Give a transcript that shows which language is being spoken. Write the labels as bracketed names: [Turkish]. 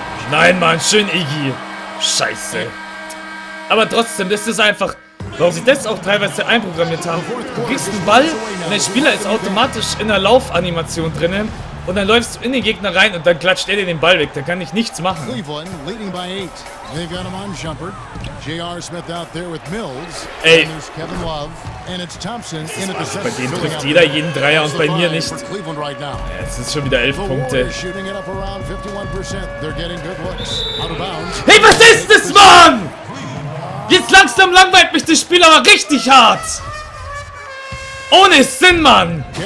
[German] Nein, Mann, schön Iggy. Scheiße. Aber trotzdem, das ist einfach... Warum sie das auch teilweise einprogrammiert haben. Du kriegst einen Ball und der Spieler ist automatisch in der Laufanimation drinnen Und dann läufst du in den Gegner rein und dann klatscht er dir den Ball weg. Da kann ich nichts machen. [English] Cleveland leading by 8. They've got him on Jumper. J.R. Smith out there with Mills. Ey. And there's Kevin Love. And it's Thompson in at the center. [German] Bei denen trifft jeder jeden Dreier und bei mir nicht. [English] Right now. [German] Ja, es ist schon wieder 11 Punkte. Hey, was ist das, Mann? Jetzt langsam langweilt mich das Spiel aber richtig hart. Ohne Sinn, Mann.